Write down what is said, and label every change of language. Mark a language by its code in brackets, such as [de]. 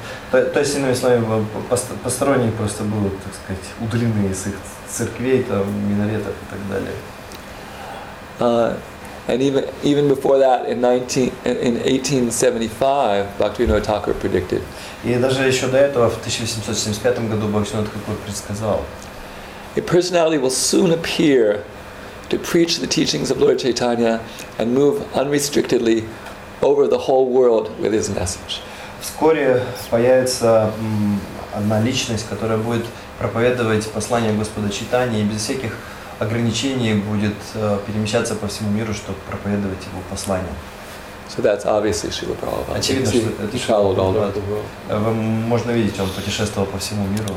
[ru] То есть иными словами, посторонние просто будут, так сказать, удалены из их церквей, там минаретов и так далее. [en] And even before that, in 1875, Bhaktivinoda Thakur predicted. [ru] И даже еще до этого в 1875 году Бхактивинода Тхакур предсказал. [en] A personality will soon appear to preach the teachings of Lord Chaitanya and move unrestrictedly over the whole world with his message. [ru] Вскоре появится одна личность, которая будет проповедовать послание Господа Чайтаньи и без всяких ограничений будет перемещаться по всему миру, чтобы проповедовать его послание. [en] So that's obviously Srila Prabhupada. [ru] Очевидно, что это Шрила Прабхупада. Можно видеть, он путешествовал по всему миру.